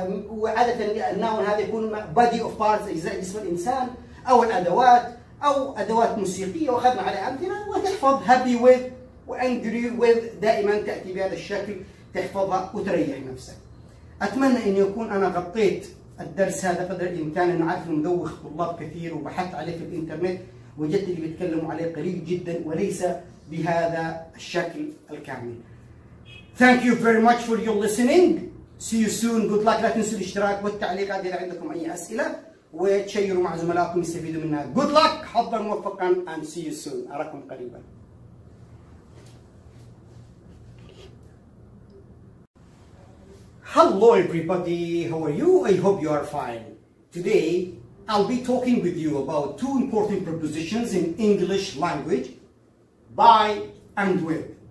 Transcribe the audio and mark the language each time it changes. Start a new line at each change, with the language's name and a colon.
Arabic: وعاده الناون هذا يكون بادي اوف بارتس، اجزاء جسم الانسان، او الادوات، أو أدوات موسيقية، وأخذنا عليها أمثلة، وتحفظ
English: happy with
Arabic: و
English: angry with
Arabic: دائما تأتي بهذا الشكل، تحفظها وتريح نفسك. أتمنى أن يكون أنا غطيت الدرس هذا قدر الإمكان، أنا عارف أنه مدوخ طلاب كثير، وبحثت عليه في الإنترنت، وجدت اللي بيتكلموا عليه قليل جدا وليس بهذا الشكل الكامل.
English: Thank you very much for your listening. See you soon. Good luck.
Arabic: لا تنسوا الاشتراك والتعليقات إذا عندكم أي أسئلة. وتشيروا مع زملائكم يستفيدوا منها.
English: Good luck،
Arabic: حظا موفقا،
English: and see you soon،
Arabic: أراكم قريبا.
English: Hello everybody, how are you? I hope you are fine. Today I'll be talking with you about two important prepositions in English language, by and with.